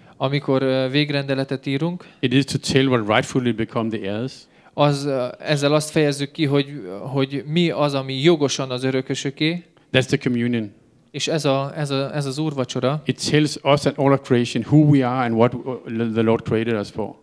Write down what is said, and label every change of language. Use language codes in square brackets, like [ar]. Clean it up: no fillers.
[hu] amikor végrendeletet írunk, [en] it is to tell what rightfully become the heirs. [hu] Az ezzel azt fejezzük ki, hogy mi az, ami jogosan az örököseké. [en] That's the communion. [hu] És ez az úrvacsora. [en] It tells us and all of creation who we are and what the Lord created us for.